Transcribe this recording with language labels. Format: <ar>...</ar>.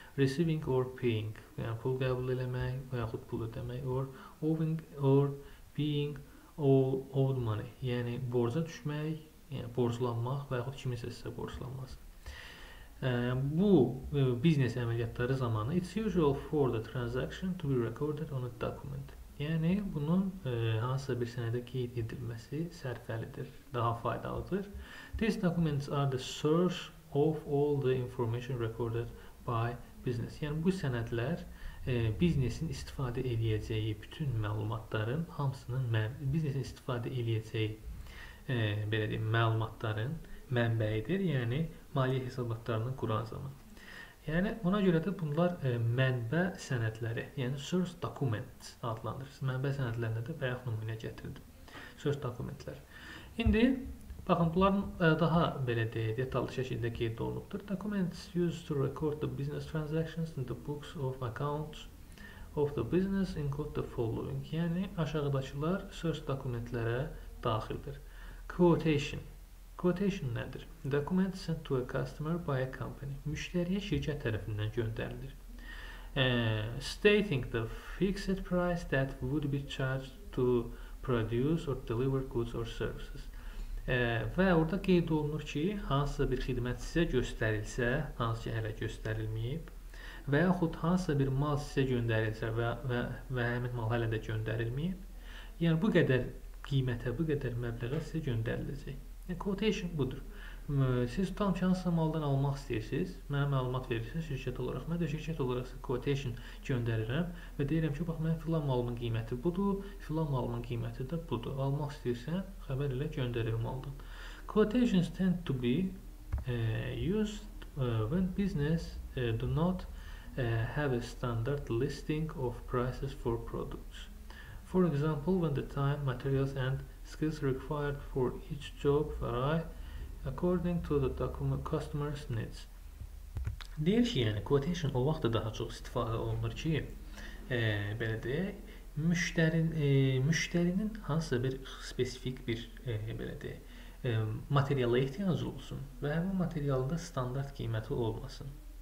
<en>Receiving or paying,</en> <az>yəni, pul qəbul eləmək və yaxud pul ödəmək,</az> <en>or owing or being old money,</en> <az>yəni borca düşmək, yəni borclanmaq və yaxud kimisə sizə borclanması. Bu biznes əməliyyatları zamanı</az> <en>it's usual for the transaction to be recorded on a document.</en> <az>Yəni, bunun hansısa bir sənədə qeyd edilməsi sərfəlidir, daha faydalıdır.</az> <en>These documents are the source of all the information recorded by business.</en> <az>Yəni, bu sənədlər biznesin istifadə edəcəyi bütün məlumatların hamısının biznesin istifadə edəcəyi məlumatların mənbəyidir, yəni maliyyə hesabatlarını quran zaman. Yani ona göre de bunlar mənbə sənədləri, yəni source documents adlandırırsınız. Mənbə sənədlərində də bayaq nümunə gətirdim. Source documentlər. İndi baxın, bunların daha belə deyək, detallı şəkildə qeyd olunubdur.</az> <en>Documents used to record the business transactions in the books of accounts of the business include the following.</en> <az>Yəni aşağıdakılar source documentlərə daxildir. Quotation. Quotation nədir?</az> <en>Document sent to a customer by a company.</en> <az>Müştəriyə şirkət tərəfindən göndərilir.</az> <en>Stating the fixed price that would be charged to produce or deliver goods or services.</en> <az>Və orada qeyd olunur ki, hansısa bir xidmət sizə göstərilsə, hansı ki hələ göstərilməyib, və yaxud hansısa bir mal sizə göndərilsə və həmin mal hələ də göndərilməyib, yəni bu qədər qiymətə, bu qədər məbləğə sizə göndəriləcək. Yəni, quotation budur. Siz tam ki, hansısa maldan almaq istəyirsiniz, mənə məlumat verirsiniz şirkət olaraq. Mən də şirkət olaraq quotation göndərirəm və deyirəm ki, bax, mən filan malımın qiyməti budur, filan malımın qiyməti də budur. Almaq istəyirsən, xəbər elə göndərir maldan.</az> <en>Quotations tend to be used when business do not have a standard listing of prices for products. For example, when the time, materials and skills required for each job vary according to the customer's needs.</en> <az>Deyir ki, yəni quotation o vaxt da daha çox istifadə olunur ki, belə deyək, müştərinin hansısa bir spesifik bir belə deyək, materiala ihtiyacı olsun və həmin materialda standart qiyməti olmasın.</az>